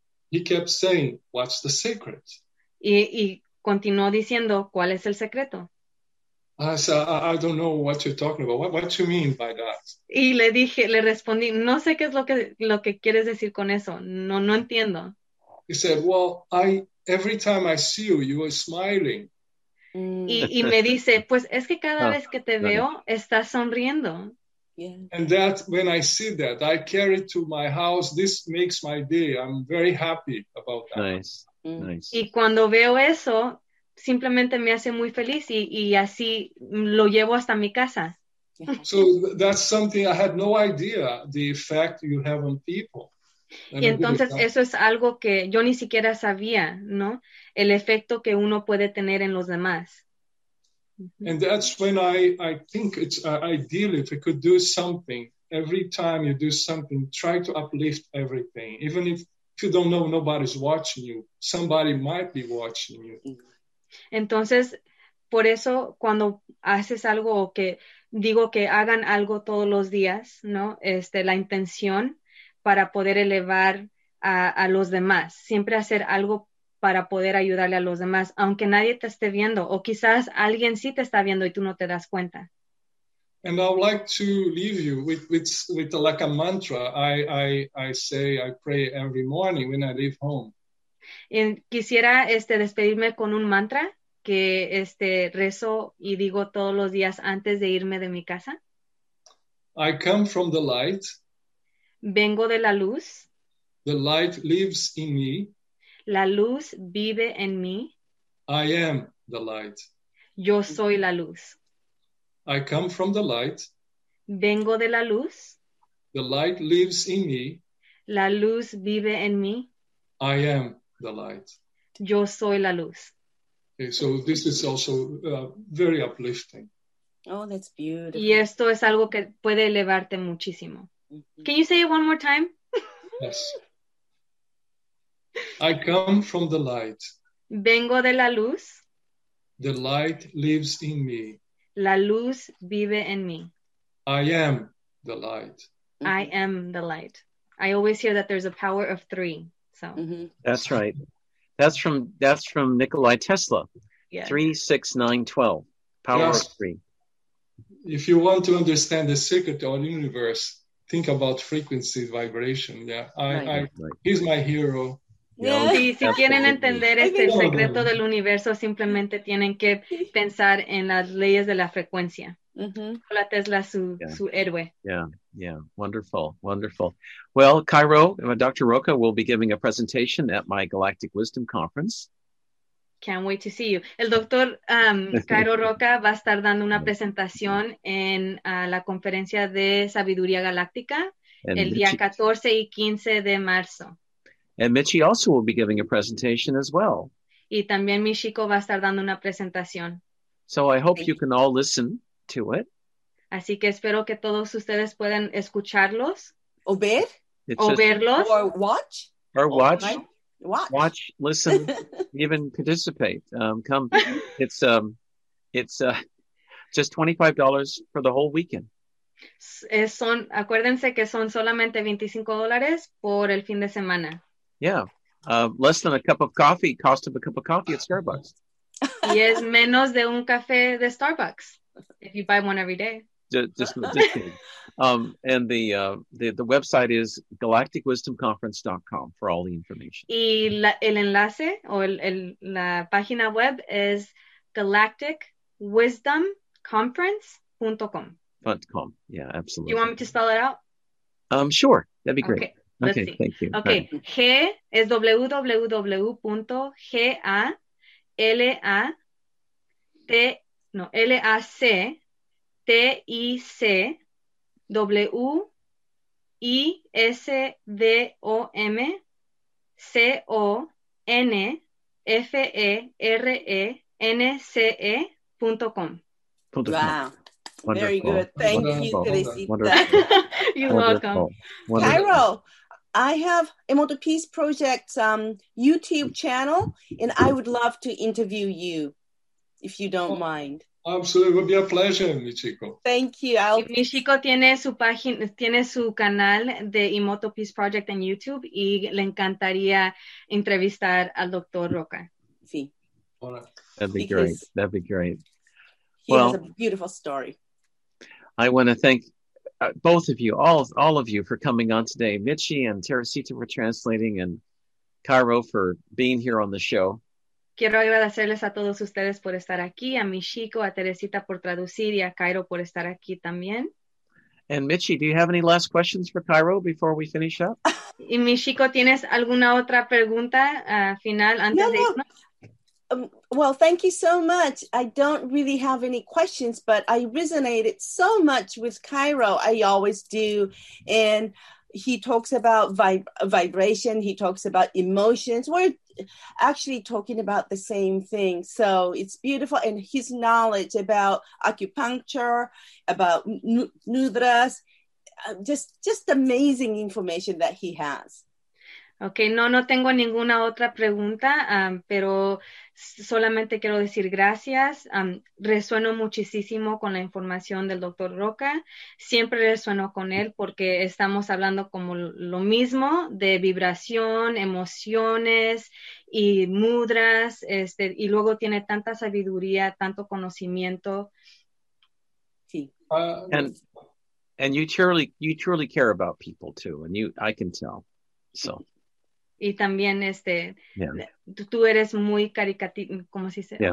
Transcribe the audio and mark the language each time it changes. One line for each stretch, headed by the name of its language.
English: He kept saying, what's the secret?
Spanish: Y continuó diciendo, ¿cuál es el secreto?
English: I said, I don't know what you're talking about. What do you mean by that?
Spanish: Y le dije, le respondí, no sé qué es lo que quieres decir con eso. No entiendo.
English: He said, well, every time I see you, you are smiling.
Spanish: Y me dice, pues es que cada vez que te veo, estás sonriendo.
English: Yeah. And that, when I see that, I carry it to my house. This makes my day. I'm very happy about that. Nice.
Spanish: Y cuando veo eso, simplemente me hace muy feliz y así lo llevo hasta mi casa.
English: So that's something I had no idea, the effect you have on people.
Spanish: Y entonces eso es algo que yo ni siquiera sabía, ¿no? El efecto que uno puede tener en los demás.
English: And that's when I think it's ideal if we could do something. Every time you do something, try to uplift everything. Even if you don't know nobody's watching you, somebody might be watching you.
Spanish: Entonces, por eso cuando haces algo o que digo que hagan algo todos los días, ¿no? La intención para poder elevar a los demás. Siempre hacer algo para poder ayudarle a los demás, aunque nadie te esté viendo, o quizás alguien sí te está viendo y tú no te das cuenta.
English: And I would like to leave you with like a mantra I pray every morning when I leave home.
Spanish: Y quisiera despedirme con un mantra que rezo y digo todos los días antes de irme de mi casa.
English: I come from the light.
Spanish: Vengo de la luz.
English: The light lives in me.
Spanish: La luz vive en mí.
English: I am the light.
Spanish: Yo soy la luz.
English: I come from the light.
Spanish: Vengo de la luz.
English: The light lives in me.
Spanish: La luz vive en mí.
English: I am the light.
Spanish: Yo soy la luz.
English: Okay, so this is also very uplifting. Oh, that's beautiful.
Spanish: Y esto es algo que puede elevarte muchísimo. Mm-hmm.
English: Can you say it one more time? Yes. I come from the light.
Spanish: Vengo de la luz.
English: The light lives in me.
Spanish: La luz vive en mí.
English: I am the light. I am the light. I always hear that there's a power of three. So mm-hmm. That's right. That's from Nikolai Tesla. Yeah. 3, 6, 9, 12. Power of three. If you want to understand the secret of the universe, think about frequency vibration. Yeah. He's my hero. Yeah.
Spanish: Y si
English: absolutely.
Spanish: Quieren entender el secreto del universo, simplemente tienen que pensar en las leyes de la frecuencia. Mm-hmm. Hola Tesla, su héroe.
English: Yeah, wonderful, wonderful. Well, Cairo, Dr. Roca will be giving a presentation at my Galactic Wisdom Conference. Can't wait to see you.
Spanish: El doctor Cairo Roca va a estar dando una presentación en la conferencia de Sabiduría Galáctica el día 14 y 15 de marzo.
English: And Michi also will be giving a presentation as well.
Spanish: Y también Michiko va a estar dando una presentación.
English: So I hope you can all listen to it.
Spanish: Así que espero que todos ustedes puedan escucharlos. O ver. O verlos.
English: Or watch. Or watch. Watch. Watch, listen, even participate. Come. Just $25 for the whole weekend.
Spanish: Acuérdense que son solamente $25 por el fin de semana.
English: Yeah, less than a cup of coffee, cost of a cup of coffee at Starbucks.
Spanish: Y es menos de un café de Starbucks,
English: if you buy one every day. Just kidding. And the website is galacticwisdomconference.com for all the information.
Spanish: Y el enlace o la página web es galacticwisdomconference.com.
English: .com, yeah, absolutely. Do you want me to spell it out? Sure, that'd be great. Okay. Okay, thank you.
Spanish: Okay, G es www.gaLACTICWISDOMCONFERENCE.com.
English: Wow. Wonderful. Very good. Thank wonderful. You, Teresita. You're welcome. Cairo, I have Emoto Peace Project's YouTube channel, and I would love to interview you, if you don't mind. Absolutely, it would be a pleasure, Michiko. Thank you.
Spanish: Michiko tiene su página, tiene su canal de Emoto Peace Project en YouTube y le encantaría entrevistar al Dr. Roca. Sí.
English: All right. That'd be great. Well, it's a beautiful story. I want to thank both of you, all of you, for coming on today. Michi and Teresita for translating, and Cairo for being here on the show.
Spanish: Quiero agradecerles a todos ustedes por estar aquí, a Michiko, a Teresita por traducir y a Cairo por estar aquí también.
English: And Michi, do you have any last questions for Cairo before we finish up?
Spanish: Y Michiko, ¿tienes alguna otra pregunta final antes de irnos?
English: Well, thank you so much. I don't really have any questions, but I resonated so much with Cairo. I always do. And he talks about vibration. He talks about emotions. We're actually talking about the same thing. So it's beautiful. And his knowledge about acupuncture, about nudras, just amazing information that he has.
Spanish: Okay, no tengo ninguna otra pregunta, pero solamente quiero decir gracias. Resueno muchísimo con la información del Dr. Roca. Siempre resueno con él porque estamos hablando como lo mismo de vibración, emociones y mudras, y luego tiene tanta sabiduría, tanto conocimiento. Sí.
English: And you truly care about people too, and you, I can tell. So
Spanish: y también yeah. Tú eres muy como se dice, yeah.